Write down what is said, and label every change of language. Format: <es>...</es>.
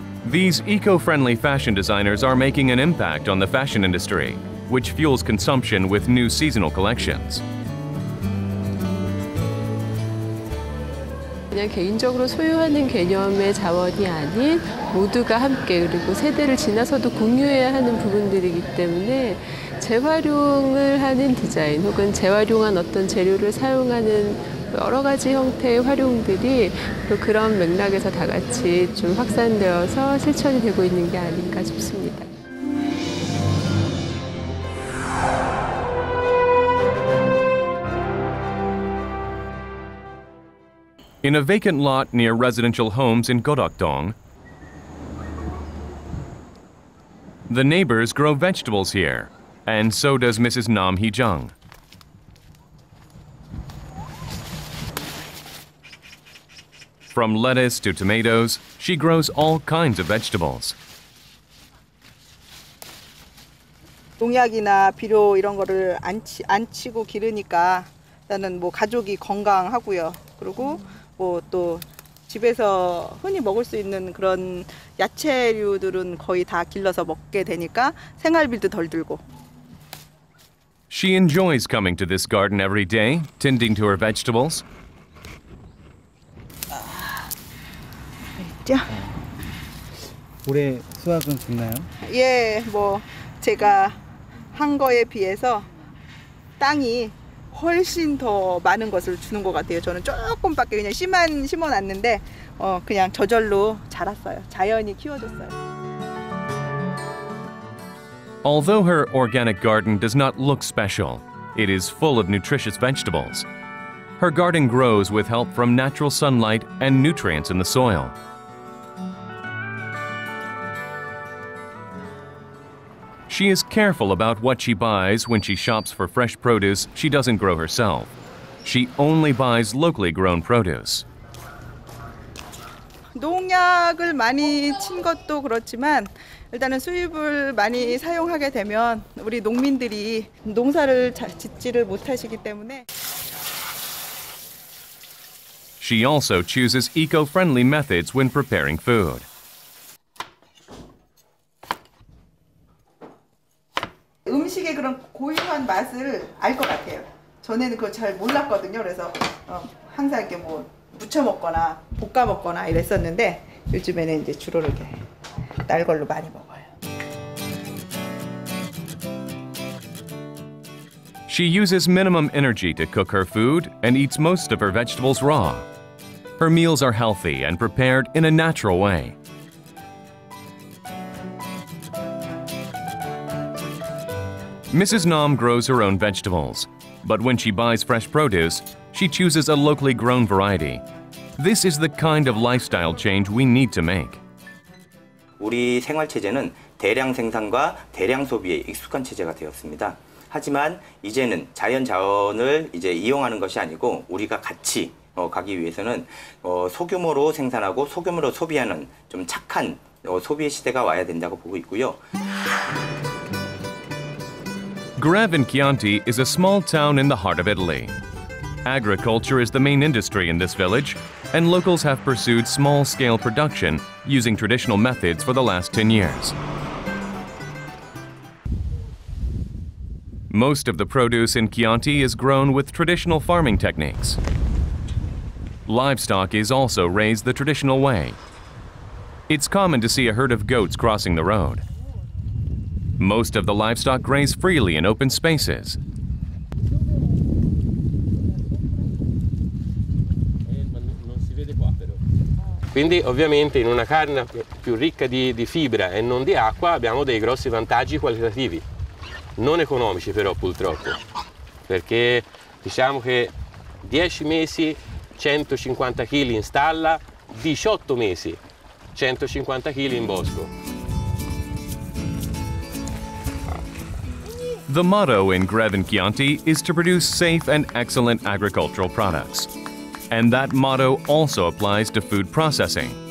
<en>These eco-friendly fashion designers are making an impact on the fashion industry, which fuels consumption with new seasonal collections.</en> <ko>그냥 개인적으로 소유하는 개념의 자원이 아닌 모두가 함께 그리고 세대를 지나서도 공유해야 하는 부분들이기 때문에 재활용을 하는 디자인 혹은 재활용한 어떤 재료를 사용하는 여러 가지 형태의 활용들이 또 그런 맥락에서 다 같이 좀 확산되어서 실천이 되고 있는 게 아닌가 싶습니다.</ko> <en>In a vacant lot near residential homes in Gorakdong, the neighbors grow vegetables here, and so does Mrs. Nam Hee Jung. From lettuce to tomatoes, she grows all kinds of vegetables.</en> <ko>농약이나 비료 이런 거를 안 치고 기르니까 나는 뭐 가족이 건강하고요. 그리고 뭐 또 집에서 흔히 먹을 수 있는 그런 야채류들은 거의 다 길러서 먹게 되니까 생활비도 덜 들고.</ko> <en>She enjoys coming to this garden every day, tending to her vegetables.</en> <ko>자. 올해 수확은 좋나요? 예, 뭐 제가 한 거에 비해서 땅이 훨씬 더 많은 것을 주는 것 같아요. 저는 조금밖에 그냥 씨만 심어놨는데 그냥 저절로 자랐어요. 자연이 키워줬어요.</ko> <en>Although her organic garden does not look special, it is full of nutritious vegetables. Her garden grows with help from natural sunlight and nutrients in the soil. She is careful about what she buys when she shops for fresh produce she doesn't grow herself. She only buys locally grown produce.</en> <ko>농약을 많이 친 것도 그렇지만 일단은 수입을 많이 사용하게 되면 우리 농민들이 농사를 짓지를 못하시기 때문에</ko> <en>She also chooses eco-friendly methods when preparing food.</en> <ko>음식의 그런 고유한 맛을 알 것 같아요. 전에는 그걸 잘 몰랐거든요. 그래서 항상 이렇게 뭐 무쳐 먹거나 볶아 먹거나 이랬었는데 요즘에는 이제 주로 이렇게 날 걸로 많이 먹어요.</ko> <en>She uses minimum energy to cook her food and eats most of her vegetables raw. Her meals are healthy and prepared in a natural way. 미세스 남 grows her own vegetables, but when she buys fresh produce, she chooses a locally grown variety. This is the kind of lifestyle change we need to make.</en> <ko>우리 생활 체제는 대량 생산과 대량 소비에 익숙한 체제가 되었습니다. 하지만 이제는 자연 자원을 이제 이용하는 것이 아니고 우리가 같이 가기 위해서는 소규모로 생산하고 소규모로 소비하는 좀 착한 소비 시대가 와야 된다고 보고 있고요.</ko> <en>Greve in Chianti is a small town in the heart of Italy. Agriculture is the main industry in this village, and locals have pursued small-scale production using traditional methods for the last 10 years. Most of the produce in Chianti is grown with traditional farming techniques. Livestock is also raised the traditional way. It's common to see a herd of goats crossing the road. Most of the livestock graze freely in open spaces.</en> <it>Quindi, ovviamente, in una carne più ricca di fibra e non di acqua, abbiamo dei grossi vantaggi qualitativi, non economici però, purtroppo, perché diciamo che 10 mesi 150 kg in stalla, 18 mesi 150 kg in bosco.</it> <en>The motto in Greve in Chianti is to produce safe and excellent agricultural products. And that motto also applies to food processing.</en>